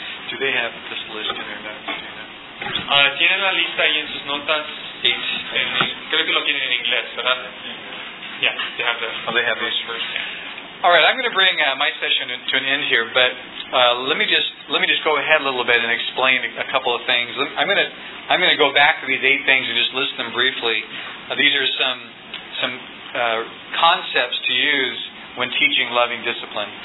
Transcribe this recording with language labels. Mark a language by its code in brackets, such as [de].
[en] Do they have this list in their notes? [es] Tienen la lista ahí en sus notas. [en] Eight. [es] Creo que lo tienen en inglés, ¿verdad? [en] have the. Oh, they have these first. All right, I'm going to bring my session to an end here, but let me just go ahead a little bit and explain a couple of things. I'm going to go back to these eight things and just list them briefly. These are some concepts to use when teaching loving discipline.